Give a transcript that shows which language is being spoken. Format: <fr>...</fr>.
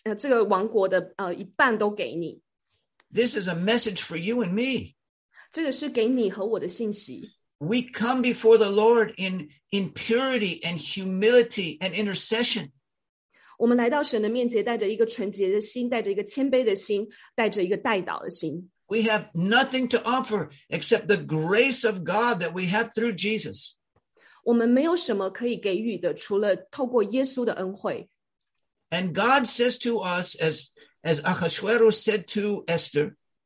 <zh>王对她说，你一切所要的就是王，这个王国的一半都给你。</zh> <en>This is a message for you and me.</en> <zh>这个是给你和我的信息。</zh> <en>We come before the Lord in purity and humility and intercession.</en> <zh>我们来到神的面前，带着一个纯洁的心，带着一个谦卑的心，带着一个代祷的心。</zh> <en>We have nothing to offer except the grace of God that we have through Jesus.</en> <zh>我们没有什么可以给予的，除了透过耶稣的恩惠。</zh> <en>And God says to us, as Ahasuerus said to Esther,</en>